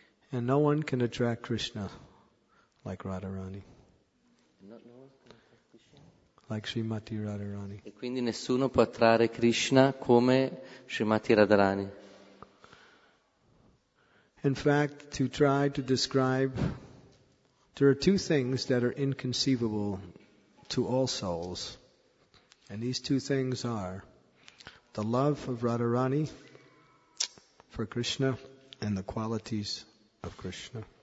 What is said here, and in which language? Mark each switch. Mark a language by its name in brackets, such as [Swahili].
[English] And no one can attract Krishna like Radharani. Like Srimati Radharani. [Italian] E quindi nessuno può attrarre Krishna come Srimati Radharani. [English] In fact, to try to describe, there are two things that are inconceivable to all souls. And these two things are the love of Radharani for Krishna and the qualities of Krishna.